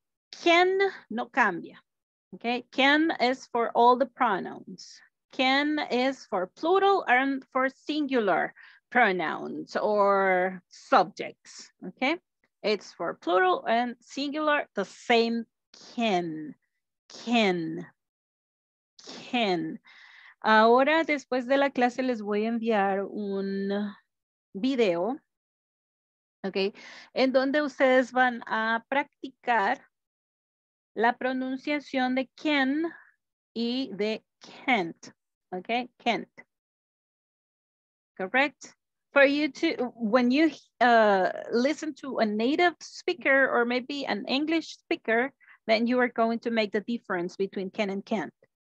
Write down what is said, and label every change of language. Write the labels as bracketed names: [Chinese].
[Spanish] Can no cambia, [English] okay? Can is for all the pronouns. Can is for plural and for singular pronouns or subjects, okay? It's for plural and singular, the same can, can, can. [Spanish] Ahora, después de la clase, les voy a enviar un video, okay, en donde ustedes van a practicar la pronunciación de can y de can't, okay, can't. [English] Correct? For you to, when you listen to a native speaker or maybe an English speaker, then you are going to make the difference between can and can't.